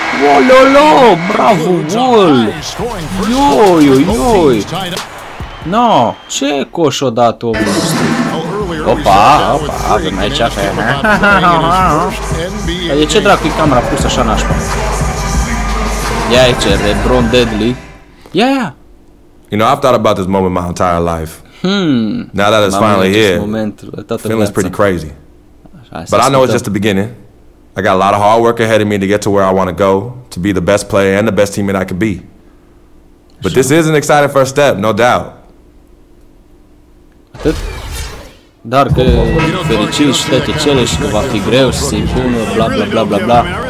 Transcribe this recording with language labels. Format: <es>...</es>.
<ro>Ololo, bravo, gol! Ioi! No, ce coș o dat omul ăsta? Opa, avem aici afeme. Dar de ce dracu-i camera pusă așa nașpa? Ia aici, LeBron Deadly. Ia.</ro> <en>You know, I've thought about this moment my entire life. Now that it's finally here, feeling's pretty crazy. But I know it's just the beginning. I got a lot of hard work ahead of me to get to where I want to go, to be the best player and the best teammate I could be. But this is an exciting first step, no doubt.</en> <ro>Atât? Dar că fericiți și toate cele și că va fi greu să se impună, bla bla bla bla bla.</ro>